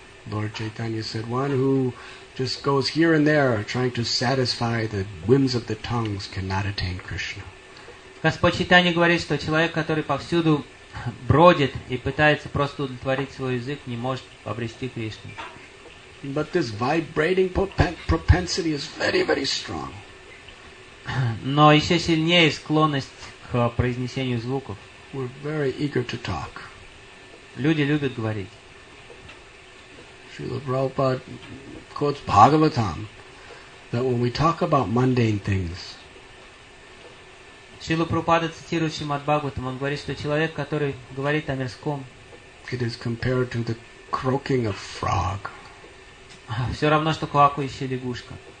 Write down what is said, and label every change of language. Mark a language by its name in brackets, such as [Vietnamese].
[English] Lord Chaitanya said, one who just goes here and there trying to satisfy the whims of the tongues cannot attain Krishna. [Russian] Господь Чайтанья говорит, что человек, который повсюду бродит и пытается просто удовлетворить свой язык, не может обрести Кришну. [English] But this vibrating propensity is very, very strong. [Russian] Но еще сильнее склонность к произнесению звуков. [English] We're very eager to talk. [Russian] Люди любят говорить. [English] Srila Prabhupada quotes Bhagavatam that when we talk about mundane things. [Russian] Srila Prabhupada цитирует Шримад Бхагаватам, он говорит, что человек, который говорит о мирском, [English] it is compared to the croaking of frog. [Russian] Все равно, что квакающая лягушка.